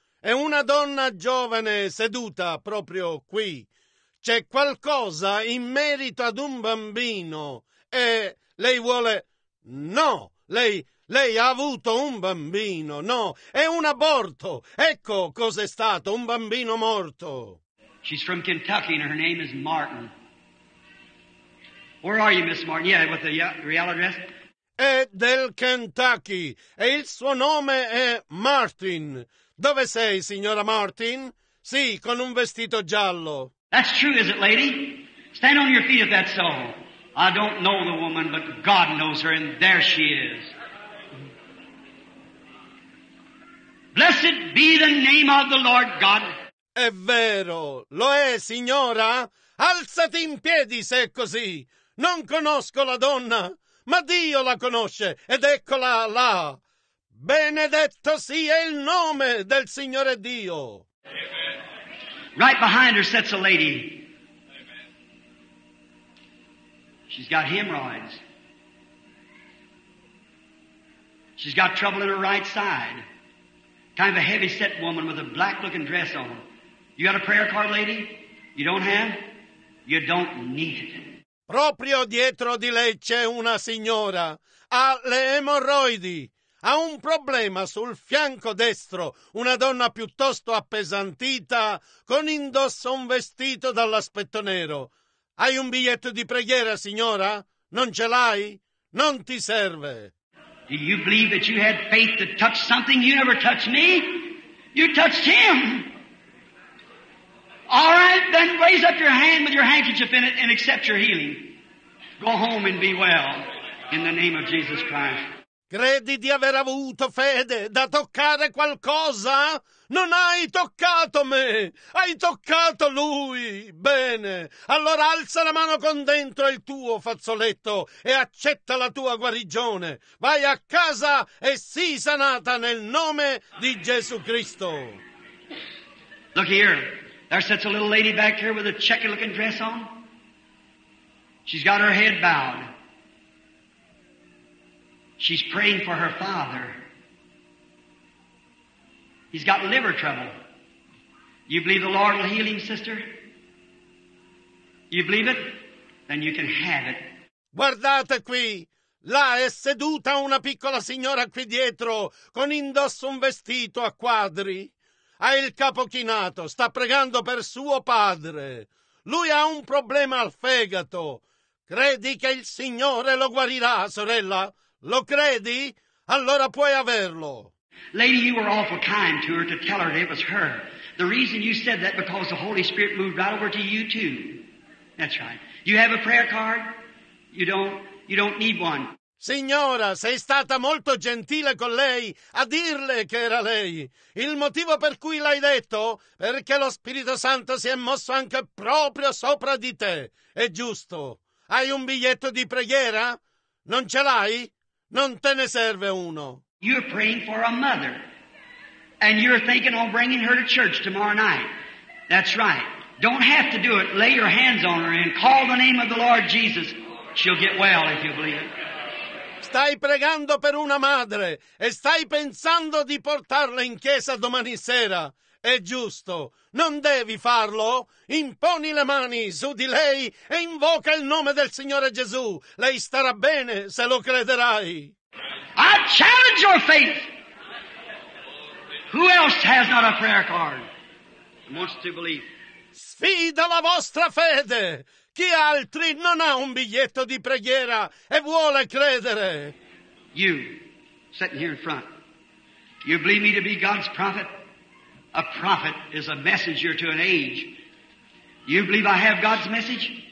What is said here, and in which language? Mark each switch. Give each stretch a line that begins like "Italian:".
Italian: È una donna giovane seduta proprio qui. C'è qualcosa in merito ad un bambino. E lei vuole... No, lei ha avuto un bambino. No, è un aborto. Ecco cos'è stato, un bambino morto.
English: She's from Kentucky and her name is Martin. Where are you, Miss Martin? Yeah, with the real address?
Italian: È del Kentucky e il suo nome è Martin. Dove sei, signora Martin? Sì, con un vestito giallo.
English: That's true, is it, lady? Stand on your feet if that's so. I don't know the woman, but God knows her, and there she is. Blessed be the name of the Lord God.
Italian: È vero, lo è, signora? Alzati in piedi se è così. Non conosco la donna, ma Dio la conosce, ed eccola là. Benedetto sia il nome del Signore Dio. Amen.
English: Right behind her sits a lady. Amen. She's got hemorrhoids. She's got trouble in her right side. Kind of a heavy set woman with a black looking dress on. You got a prayer card, lady? You don't have? You don't need it.
Italian: Proprio dietro di lei c'è una signora. Ha le emorroidi. Ha un problema sul fianco destro, una donna piuttosto appesantita, con indosso un vestito dall'aspetto nero. Hai un biglietto di preghiera, signora? Non ce l'hai? Non ti serve.
English: Do you believe that you had faith to touch something you never touched me? You touched him. All right, then raise up your hand with your handkerchief in it and accept your healing. Go home and be well in the name of Jesus Christ.
Italian: Credi di aver avuto fede da toccare qualcosa? Non hai toccato me, hai toccato lui. Bene, allora alza la mano con dentro il tuo fazzoletto e accetta la tua guarigione. Vai a casa e sii sanata nel nome di Gesù Cristo.
English: Look here, there sits a little lady back here with a checkered looking dress on. She's got her head bowed. She's praying for her father. He's got liver trouble. You believe the Lord will heal him, sister? You believe it? Then you can have it.
Italian: Guardate qui. Là è seduta una piccola signora qui dietro con indosso un vestito a quadri. Ha il capo chinato. Sta pregando per suo padre. Lui ha un problema al fegato. Credi che il Signore lo guarirà, sorella? Lo credi? Allora puoi averlo.
English: Lady, you were awful kind to her to tell her that it was her. The reason you said that because the Holy Spirit moved right over to you too. That's right. You have a prayer card? You don't need one.
Italian: Signora, sei stata molto gentile con lei a dirle che era lei. Il motivo per cui l'hai detto? Perché lo Spirito Santo si è mosso anche proprio sopra di te. È giusto. Hai un biglietto di preghiera? Non ce l'hai? Non te ne serve uno.
English: You're praying for a mother. And you're thinking of bringing her to church tomorrow night. That's right. Don't have to do it. Lay your hands on her and call the name of the Lord Jesus. She'll get well if you believe it.
Italian: Stai pregando per una madre e stai pensando di portarla in chiesa domani sera. È giusto. Non devi farlo. Imponi le mani su di lei e invoca il nome del Signore Gesù. Lei starà bene se lo crederai.
English: I challenge your faith. Who else has not a prayer card? Wants to believe.
Italian: Sfida la vostra fede. Chi altri non ha un biglietto di preghiera e vuole credere?
English: You, sitting here in front. You believe me to be God's prophet? A prophet is a messenger to an age. You believe I have God's message?